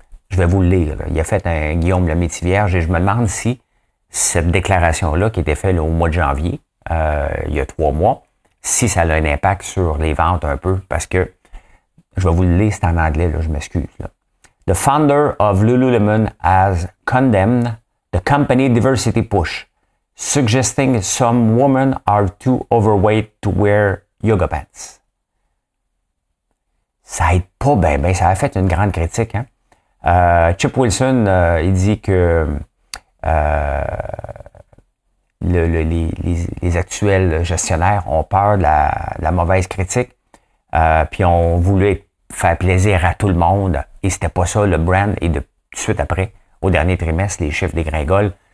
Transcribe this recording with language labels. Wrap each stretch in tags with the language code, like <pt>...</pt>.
<fr>Je vais vous le lire. Il a fait un Guillaume Lemaitre Vierge et je me demande si cette déclaration-là qui était faite au mois de janvier, il y a 3 mois, si ça a un impact sur les ventes un peu, parce que je vais vous le lire, c'est en anglais, là, je m'excuse. Là.</fr> <en>The founder of Lululemon has condemned the company diversity push, suggesting some women are too overweight to wear yoga pants.</en> <fr>Ça aide pas bien, bien, ça a fait une grande critique. Hein? Chip Wilson, il dit que les actuels gestionnaires ont peur de la mauvaise critique, puis ont voulu faire plaisir à tout le monde, et c'était pas ça le brand, et de suite après, au dernier trimestre, les chiffres dégringolent.</fr>